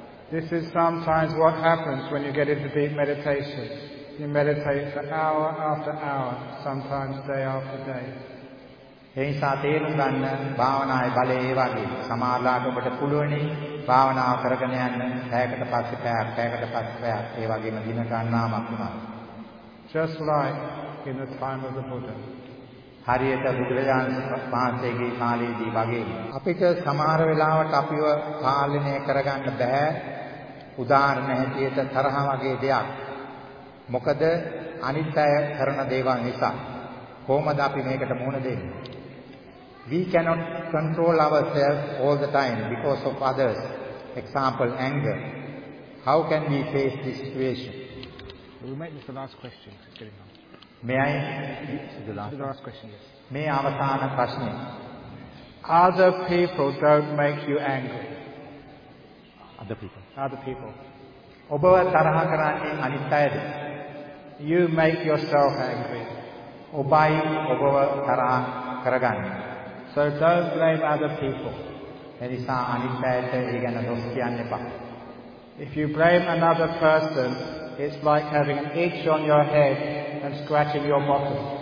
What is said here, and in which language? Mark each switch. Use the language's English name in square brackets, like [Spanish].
[English] This is sometimes what happens when you get into deep meditation. You meditate for hour after hour, sometimes day after day. [Sinhala] එනිසා තේරුම් ගන්න භාවනායි බලේ ඒ වගේ. සමාලාට ඔබට පුළුවනේ භාවනාව කරගෙන යන්න පැයකට පස්සේ පැයක්, පැයකට පස්සේ පැයක් ඒ වගේම දින ගණනාවක් වුණා. [English] Just like in the time of the Buddha. [Sinhala] හරියට බුදුරජාණන් වහන්සේගේ කාලයේදී වගේ අපිට සමහර වෙලාවට අපිව පාලනය කරගන්න බෑ. උදාහරණ හැටියට තරහ වගේ දෙයක්. මොකද අනිත් අය කරන දේවල් නිසා කොහොමද අපි මේකට මුහුණ දෙන්නේ? [English] We cannot control ourselves all the time because of others. Example, anger. How can we face this situation? We make this the last question. May I ask the last question? [Sinhala] මේ අවසාන ප්‍රශ්නේ [English] Other people don't make you angry. Other people. [Sinhala] ඔබව තරහ කරන්නේ අනිත් අයද? [English] You make yourself angry. [Sinhala] ඔබයි ඔබව තරහ කරගන්නේ. [English] So don't blame other people. [Sinhala] එනිසා අනිත් අයට ඒ ගැන දොස් කියන්න එපා. [English] If you blame another person, it's like having an itch on your head and scratching your bottom.